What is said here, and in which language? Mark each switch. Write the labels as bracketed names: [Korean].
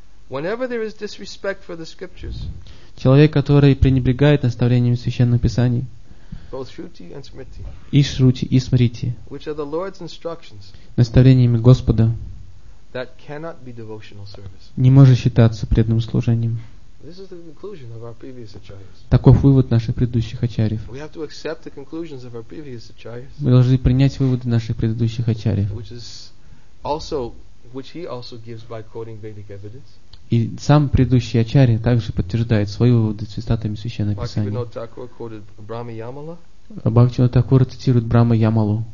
[Russian] Человек, который пренебрегает наставлениями священных писаний, [English] both Shruti and Smriti, [Russian] и Шрути, и Смрити, [English] which are the Lord's instructions, [Russian] наставлениями Господа, [English] that cannot be devotional service, [Russian] не может считаться преданным служением. [English] This is the conclusion of our previous acharyas. [Russian] Таков вывод наших предыдущих ачарьев. [English] We have to accept the conclusions of our previous acharyas. [Russian] Мы должны принять выводы наших предыдущих ачарьев, [English] which is also, which he also gives by quoting Vedic evidence. [Russian] И сам предыдущий ачарья также подтверждает свои выводы цитатами Священного Писания. Бхактивинода Тхакур цитирует Брама Ямалу,